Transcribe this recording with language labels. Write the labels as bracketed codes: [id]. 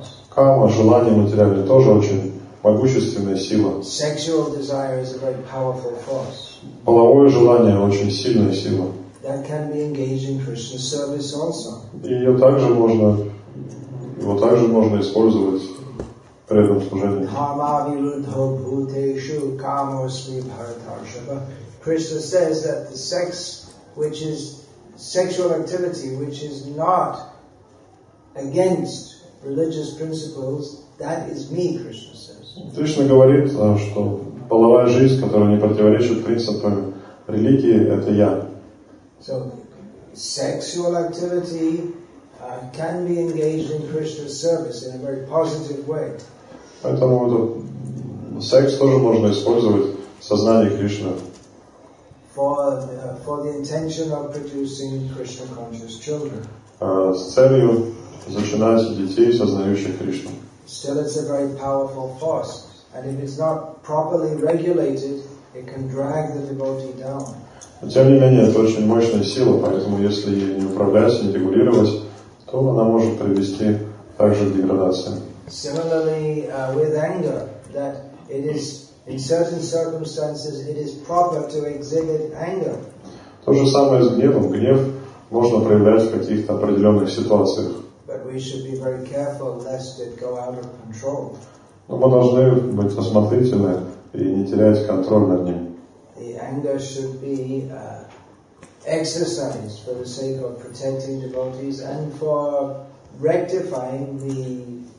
[ru] Карма, желание материальное, тоже очень могущественная сила. [en] Sexual desire is a very powerful force. [ru] Половое желание очень сильная сила. [en] That can be engaged in Krishna service also. [ru] Его также можно использовать. [sa] Karma viruddho bhuteshu kamo smi bharatarshava. [en] Krishna says that the sex, which is sexual activity, which is not against religious principles, that is me, Krishna says. [ru] Krishna говорит, что половая жизнь, которая не противоречит принципам религии, это я. [en] So, sexual activity can be engaged in Krishna's service in a very positive way. [ru] Поэтому этот секс тоже можно использовать в сознании Кришны. [en] For the intention of producing Krishna conscious children. [ru] С целью зачинать детей, сознающих Кришну. [en] Still it's a very powerful force. And if it's not properly regulated, it can drag the devotee down. [ru] Но тем не менее, это очень мощная сила, поэтому если не управлять, не регулировать, то она может привести также к деградации. [en] Similarly, with anger, that it is in certain circumstances it is proper to exhibit anger. [ru] То же самое с гневом. Гнев можно проявлять в каких-то определенных ситуациях. [en] But we should be very careful lest it go out of control. [ru] Но мы должны быть осмотрительны и не терять контроль над ним. [en] The anger should be exercised for the sake of protecting devotees and for rectifying the.